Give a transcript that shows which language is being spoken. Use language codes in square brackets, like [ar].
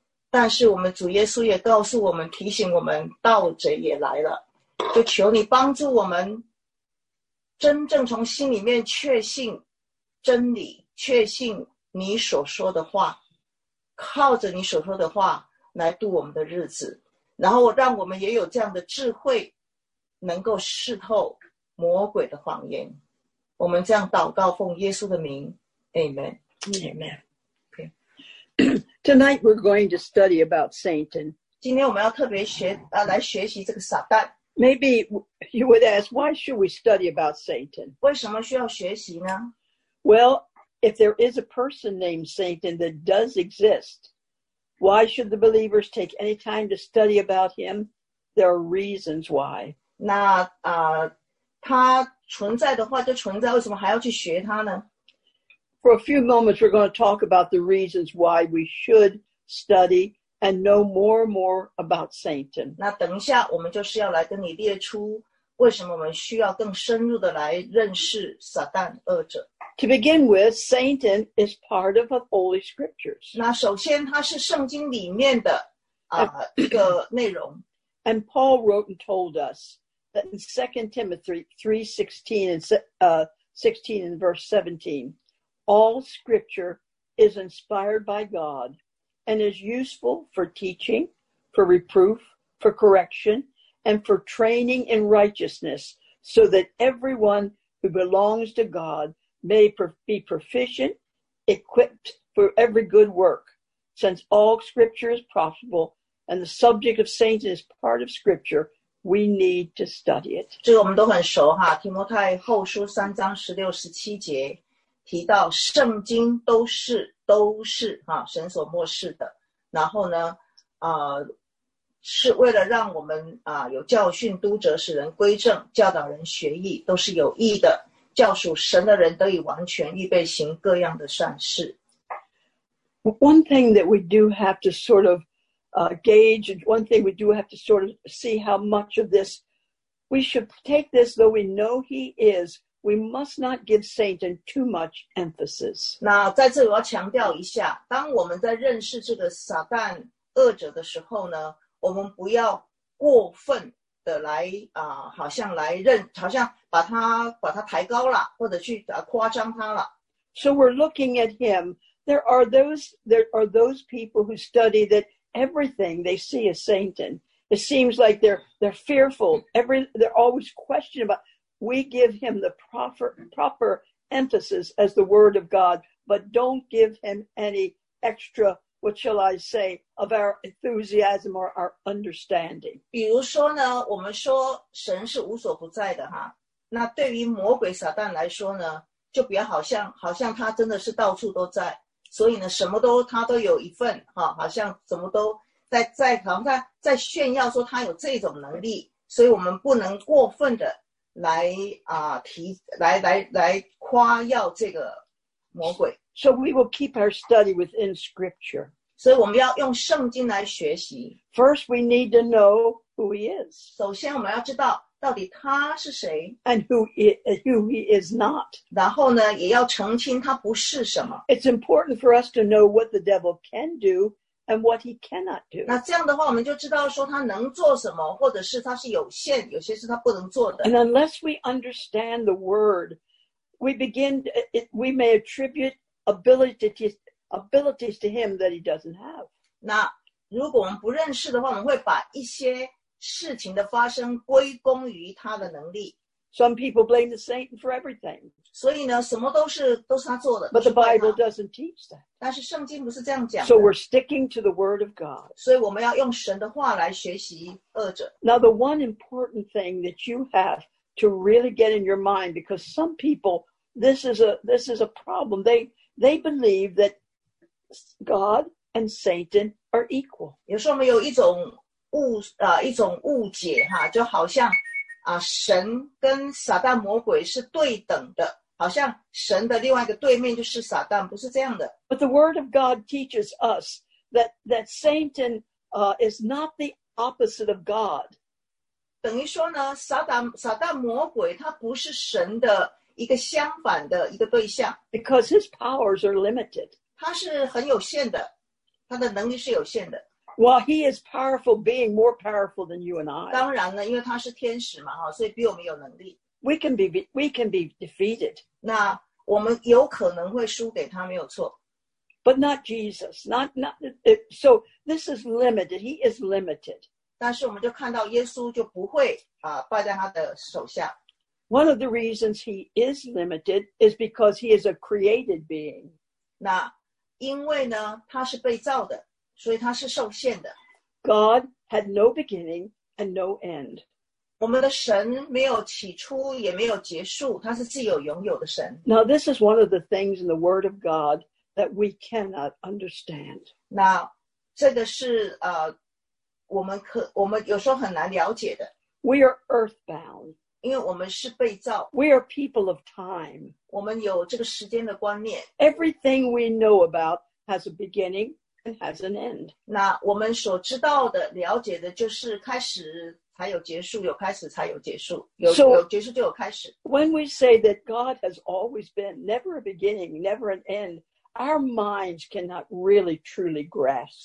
[zh] 但是我们主耶稣也告诉我们，提醒我们，盗贼也来了，就求你帮助我们真正从心里面确信真理，确信你所说的话，靠着你所说的话来度我们的日子，然后让我们也有这样的智慧，能够识透魔鬼的谎言。我们这样祷告，奉耶稣的名 ，Amen。 Amen。 [en] Tonight we're going to study about Satan. [zh] 今天我们要特别学啊，来学习这个撒旦。 [en] Maybe you would ask, why should we study about Satan? [zh] 为什么需要学习呢 [en] ？Well, if there is a person named Satan that does exist, why should the believers take any time to study about him? There are reasons why. [zh] 那他存在的话就存在，为什么还要去学他呢？ [en] For a few moments, we're going to talk about the reasons why we should study and know more and more about Satan. [zh] 那等一下，我们就是要来跟你列出为什么我们需要更深入的来认识撒旦二者。 [en] To begin with, Satan is part of the Holy Scriptures. [zh] 那首先，它是圣经里面的一个内容。 [en] And Paul wrote and told us that in 2 Timothy 3:16 and 16 and verse 17. All scripture is inspired by God and is useful for teaching, for reproof, for correction, and for training in righteousness so that everyone who belongs to God may be proficient, equipped for every good work. Since all scripture is profitable and the subject of Satan is part of scripture, we need to study it. [zh] 这个我们都很熟哈，提摩太后书三章十六十七节。提到圣经都是啊神所默示的，然后呢是为了让我们有教训督责，使人归正，教导人学义，都是有益的，教属神的人得以完全，预备行各样的善事。 [en] One thing that we do have to sort of gauge, one thing we do have to sort of see how much of this we should take this, though we know he is. We must not give Satan too much emphasis. [zh] 那在这里我要强调一下，当我们在认识这个撒旦恶者的时候呢，我们不要过分的来啊、好像来认，好像把他抬高了，或者去夸张他了。 [en] So we're looking at him. There are those people who study that everything they see is Satan. It seems like they're fearful. They're always questioning about. We give him the proper emphasis as the word of God, but don't give him any extra. What shall I say of our enthusiasm or our understanding? [zh] 比如说呢，我们说神是无所不在的哈。那对于魔鬼撒旦来说呢，就比较好像他真的是到处都在，所以呢，什么都他都有一份哈，好像怎么都在好像在炫耀说他有这种能力，所以我们不能过分的来啊、来夸耀这个魔鬼。 [en] So we will keep our study within Scripture. [zh] 所以我们要用圣经来学习。 [en] First, we need to know who he is. [zh] 首先我们要知道到底他是谁。 [en] And who he is not. [zh] 然后呢，也要澄清他不是什么。 [en] It's important for us to know what the devil can do and what he cannot do. [zh] 那这样的话，我们就知道说他能做什么，或者是他是有限，有些是他不能做的。 [en] And unless we understand the word, we may attribute. Abilities to him that he doesn't have. [zh] 那如果我们不认识的话，我们会把一些事情的发生归功于他的能力。 [en] Some people blame the Satan for everything. [zh] 所以呢，什么都是他做的。 [en] But the Bible doesn't teach that. [zh] 但是圣经不是这样讲的。 [en] So we're sticking to the Word of God. [zh] 所以我们要用神的话来学习恶者。 [en] Now the one important thing that you have to really get in your mind, because some people this is a problem. They believe that God and Satan are equal. [zh] 有时候我们有一种误解哈，就好像啊，神跟撒旦魔鬼是对等的，好像神的另外一个对面就是撒旦，不是这样的。 [en] But the Word of God teaches us that Satan is not the opposite of God. [zh] 等于说呢，撒旦魔鬼他不是神的。一个相反的一个对象 [en] ，because his powers are limited. [zh] 他是很有限的，他的能力是有限的。 [en] While he is powerful, being more powerful than you and I. [zh] 当然呢，因为他是天使嘛，所以比我们有能力。 [en] We can be defeated. [zh] 那我们有可能会输给他，没有错。 [en] But not Jesus. Not. So this is limited. He is limited. [zh] 但是我们就看到耶稣就不会啊败在他的手下。 [en] One of the reasons he is limited is because he is a created being. [zh] 那因为呢，他是被造的，所以他是受限的。 [en] God had no beginning and no end. [zh] 我们的神没有起初，也没有结束，他是自有永有的神。 [en] Now this is one of the things in the Word of God that we cannot understand. [zh] 那这个是我们有时候很难了解的。 [en] We are earthbound. [zh] 因为我们是被造。 [en] We are people of time. [zh] 我们有这个时间的观念。 [en] Everything we know about has a beginning and has an end. [zh] 那我们所知道的、了解的就是开始才有结束，有开始才有结束，有结束就有开始。 [en] When we say that God has always been, never a beginning, never an end, our minds cannot really truly grasp.